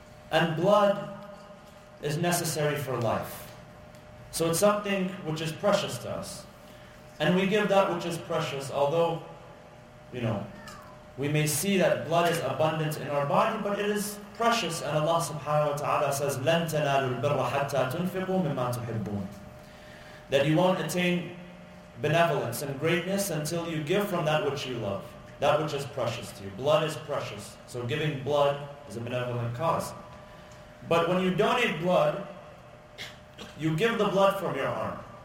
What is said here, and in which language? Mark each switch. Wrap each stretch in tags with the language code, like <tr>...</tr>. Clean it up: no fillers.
<en>And blood is necessary for life. So it's something which is precious to us. And we give that which is precious, although, you know, we may see that blood is abundant in our body, but it is precious. And Allah subhanahu wa ta'ala says,</en> <ar>لَن تَنَالُوا الْبِرَّ حَتَّى تُنْفِقُوا مِمَّا تُحِبُّونَ.</ar> <en>That you won't attain benevolence and greatness until you give from that which you love, that which is precious to you. Blood is precious. So giving blood is a benevolent cause. But when you donate blood, you give the blood from your arm.</en>